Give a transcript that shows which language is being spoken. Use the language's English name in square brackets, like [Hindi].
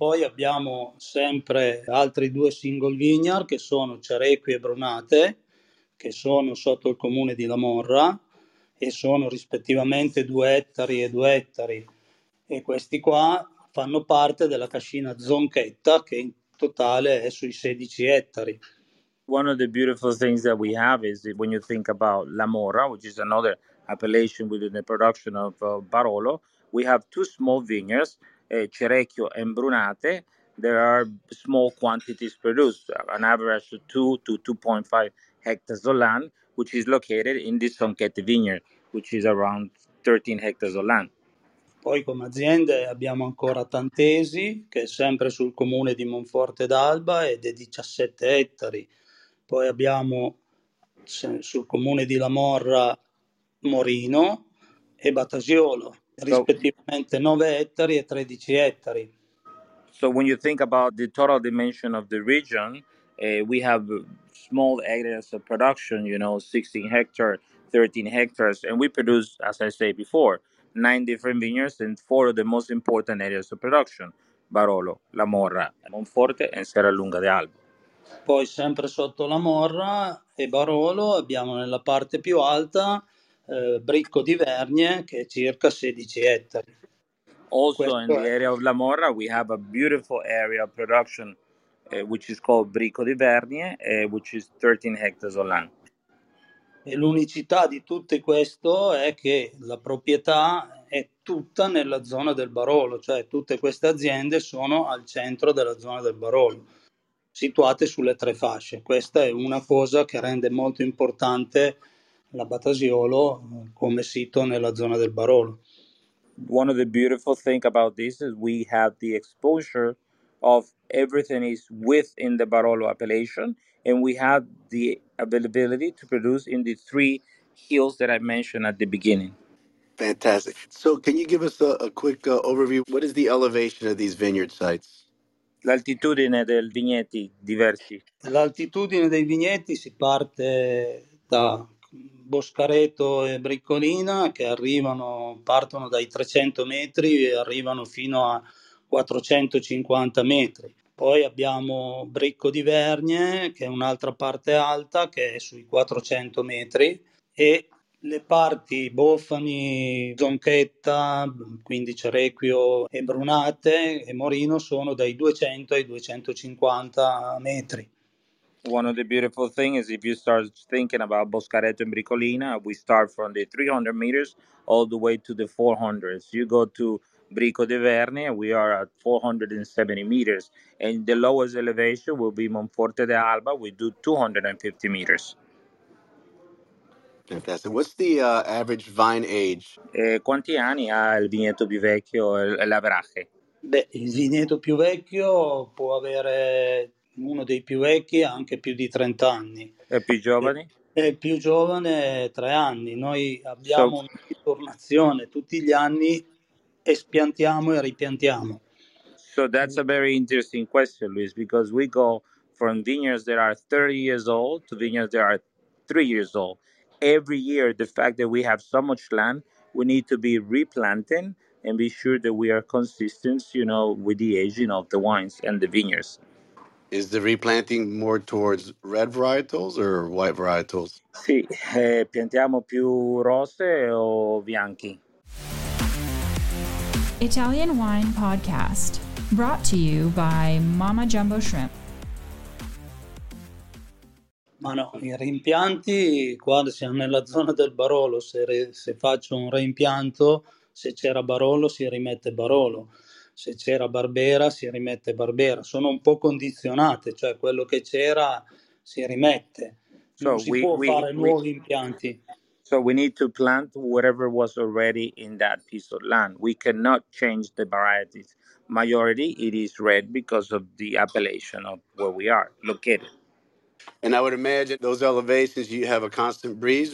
[Italian] Poi abbiamo sempre altri due single vineyard che sono Cerequi e Brunate, che sono sotto il comune di La Morra e sono rispettivamente 2 ettari e 2 ettari. E questi qua fanno parte della cascina Zonchetta, che in totale è sui 16 ettari. [English] One of the beautiful things that we have is when you think about La Morra, which is another appellation within the production of Barolo, we have two small vineyards, Cerecchio and Brunate. There are small quantities produced, an average of 2 to 2.5 hectares of land, which is located in this Zonchetta vineyard, which is around 13 hectares of land. [Italian] Poi come aziende abbiamo ancora Tantesi, che è sempre sul comune di Monforte d'Alba ed è 17 ettari. Poi abbiamo sul comune di La Morra Morino e Batasiolo, rispettivamente 9 ettari e 13 ettari. [English] So when you think about the total dimension of the region, we have small areas of production, you know, 16 hectares, 13 hectares, and we produce, as I say before, 9 different vineyards and 4 of the most important areas of production, Barolo, La Morra, Monforte and Serra Lunga de Alba. [Italian] Poi sempre sotto La Morra e Barolo abbiamo nella parte più alta Bricco di Vernie, che è circa 16 ettari. [English] Also [Italian] questo [English] in the area of La Morra we have a beautiful area of production which is called Bricco di Vernie, which is 13 hectares of land. [Italian] E l'unicità di tutto questo è che la proprietà è tutta nella zona del Barolo, cioè tutte queste aziende sono al centro della zona del Barolo, situate sulle tre fasce. Questa è una cosa che rende molto importante la Batasiolo come sito nella zona del Barolo. [English] One of the beautiful things about this is we have the exposure of everything is within the Barolo appellation, and we have the availability to produce in the three hills that I mentioned at the beginning. Fantastic. So can you give us a quick overview? What is the elevation of these vineyard sites? [Italian] L'altitudine del vigneti diversi. L'altitudine dei vigneti si parte da Boscareto e Bricolina, che partono dai 300 metri e arrivano fino a 450 metri. Poi abbiamo Bricco di Vernie, che è un'altra parte alta, che è sui 400 metri, e Le parti bofani, zonchetta, 15 requio e brunate e morino sono dai 200 ai 250 metri. [English] One of the beautiful things is if you start thinking about Boscaretto and Bricolina, we start from the 300 meters all the way to the 400. So you go to Brico de Verne, we are at 470 meters. And the lowest elevation will be Monforte de Alba, we do 250 meters. Fantastic. What's the average vine age? [Italian] Quanti anni ha il vigneto più vecchio, l'average? Beh, il vigneto più vecchio può avere, uno dei più vecchi, anche più di 30 anni. E più giovani? E più giovane 3 anni. Noi abbiamo un'informazione tutti gli anni e spiantiamo e ripiantiamo. [English] So that's a very interesting question, Luis, because we go from vineyards that are 30 years old to vineyards that are 3 years old. Every year, the fact that we have so much land, we need to be replanting and be sure that we are consistent, you know, with the aging of the wines and the vineyards. Is the replanting more towards red varietals or white varietals? [Italian] Sì, piantiamo più rosse o bianchi. [English] Italian Wine Podcast, brought to you by Mama Jumbo Shrimp. [Italian] Ma no, i rimpianti, qua siamo nella zona del Barolo, se faccio un rimpianto, se c'era Barolo si rimette Barolo, se c'era Barbera si rimette Barbera, sono un po' condizionate, cioè quello che c'era si rimette, non si può fare nuovi impianti. [English] So we need to plant whatever was already in that piece of land, we cannot change the varieties, majority it is red because of the appellation of where we are located. And I would imagine those elevations, you have a constant breeze.